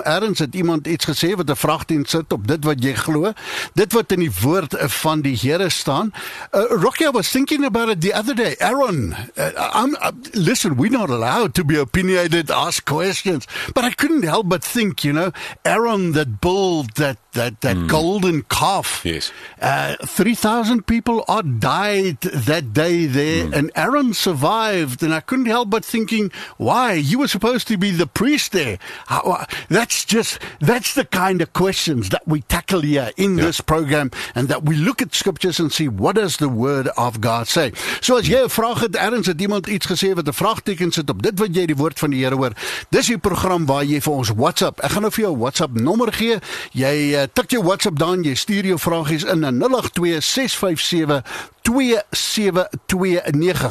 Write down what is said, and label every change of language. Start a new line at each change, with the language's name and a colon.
Afrikaans: Ergens het iemand iets gesê wat 'n vraagteken sit op dit wat jy glo. Dit wat in die woord van die Here staan.
English: Rocky, I was thinking about it the other day. Aaron, listen, we're not allowed to be opinionated, ask questions. But I couldn't help but think, you know, Aaron that built that golden calf. Yes. 3,000 people odd died that day there. Mm. And Aaron survived. And I couldn't help but thinking, why? You were supposed to be the priest there. That's the kind of questions that we tackle here in this program. And that we look at scriptures and see, what does the word of God say?
Afrikaans: So as jy vraag het, Aaron, het iemand iets gesê wat 'n vraagteken sit op dit wat jy die woord van die Here hoor? Dis die program waar jy vir ons WhatsApp. Ek gaan nou vir jou WhatsApp nommer gee. Jy tik jou WhatsApp dan, jy stuur jou vragies in na 082-657-2729.